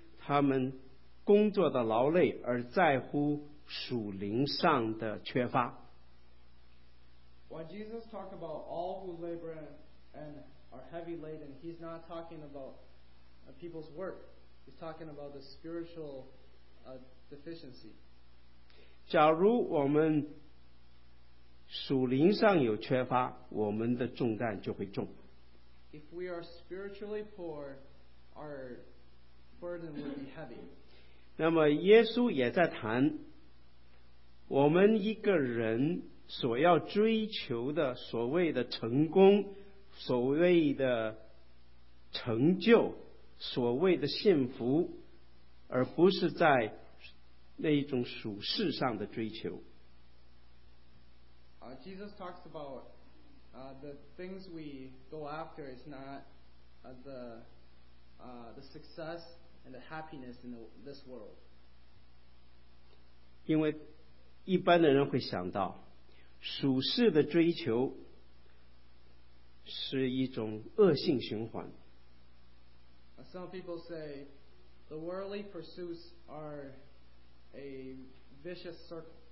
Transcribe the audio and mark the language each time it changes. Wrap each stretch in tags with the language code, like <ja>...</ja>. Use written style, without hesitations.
<zh>这里所谈的是这个劳苦重担担重担的人，他们的问题不在乎他们工作的劳累，而在乎 属灵上的缺乏。</zh> <en>When Jesus talked about all who labor and are heavy laden, he's not talking about people's work. He's talking about the spiritual deficiency.</en> <zh>假如我们属灵上有缺乏，我们的重担就会重。</zh> <en>If we are spiritually poor, our burden will be heavy.</en> <zh>那么耶稣也在谈 我们一个人所要追求的所谓的成功，所谓的成就，所谓的幸福，而不是在那一种属世上的追求。</zh> <en>Jesus talks about the things we go after is not the success and the happiness in this world.</en> <zh>因为 一般的人会想到，属世的追求是一种恶性循环。</zh> <en>Some people say the worldly pursuits are a vicious circle.</en>